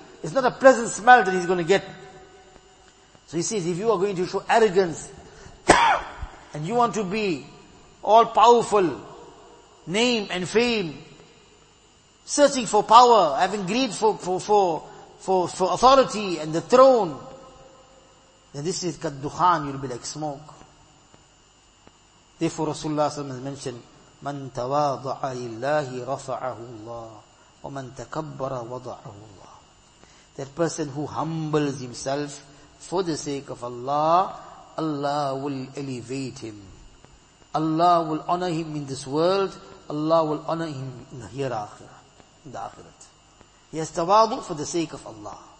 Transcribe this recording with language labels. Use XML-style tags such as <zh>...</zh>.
<en>It's not a pleasant smell that he's going to get. So he says, if you are going to show arrogance, and you want to be all powerful, name and fame, searching for power, having greed for authority and the throne, then this is kaddukhan, you'll be like smoke. Therefore Rasulullah ﷺ has mentioned,</en> <ar>مَنْ تَوَاضَعَ لِلَّهِ رَفَعَهُ اللَّهِ وَمَنْ تَكَبَّرَ وَضَعَهُ اللَّهِ.</ar> <en>That person who humbles himself for the sake of Allah, Allah will elevate him. Allah will honor him in this world, Allah will honor him in the hereafter, in the akhirat. He has tawadu for the sake of Allah.</en>